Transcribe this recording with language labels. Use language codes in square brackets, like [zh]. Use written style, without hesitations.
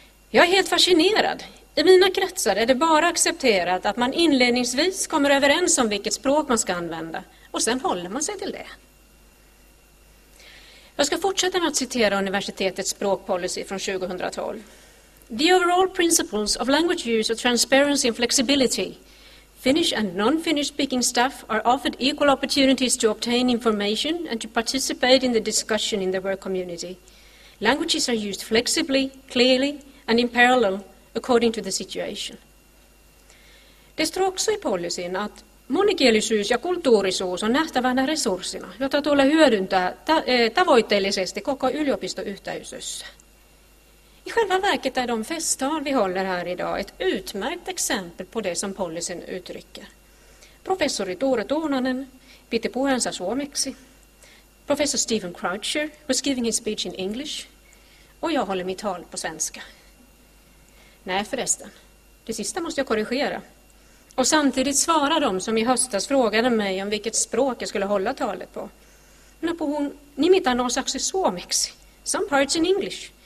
[sv] Jag är helt fascinerad. I mina kretsar är det bara accepterat att man inledningsvis kommer överens om vilket språk man ska använda och sen håller man sig till det. Jag ska fortsätta med att citera universitetets språkpolicy från 2012. [en] The overall principles of language use are transparency and flexibility. Finnish and non-Finnish speaking staff are offered equal opportunities to obtain information and to participate in the discussion in the work community. Languages are used flexibly, clearly and in parallel according to the situation. [sv] Det står också i policyn att [fi] Monikielisyys ja kulttuurisuus on nähtävänä resurssina, jota tulee hyödyntää tavoitteellisesti koko yliopistoyhteisössä. [sv] I själva verket är de festtal vi håller här idag ett utmärkt exempel på det som policyn uttrycker. [fi] Professori Tore Tuunanen piti puheensa suomeksi. [en] Professor Stephen Croucher was giving his speech in English. [sv] Och jag håller mitt tal på svenska. Nej, förresten. Det sista måste jag korrigera. Och samtidigt svara de som i höstas frågade mig om vilket språk jag skulle hålla talet på. När på hon, ni mittar någon slags suomeksi. [en] Some parts in English.